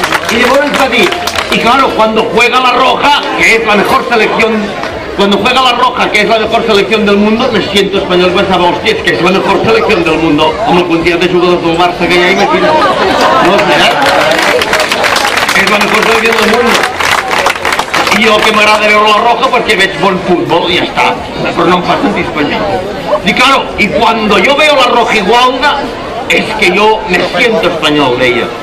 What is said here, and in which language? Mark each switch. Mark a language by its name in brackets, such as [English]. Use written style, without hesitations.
[Catalan] I llavors va dir, [Spanish] i claro, cuando juega la roja, que es la mejor selección, cuando juega la roja, que es la mejor selección del mundo, me siento español, pensaba, hostia, es que es la mejor selección del mundo, como el [Catalan] quantitat de jugadors del Barça que hi ha, imagina't. [Spanish] No sé, eh? És la mejor selección del mundo. [Catalan] I jo que m'agrada veure la roja perquè veig bon futbol i ja està, però no em fa sentir espanyol. [Spanish] I claro, y cuando yo veo la roja igual, es que yo me siento español, [Catalan] deia.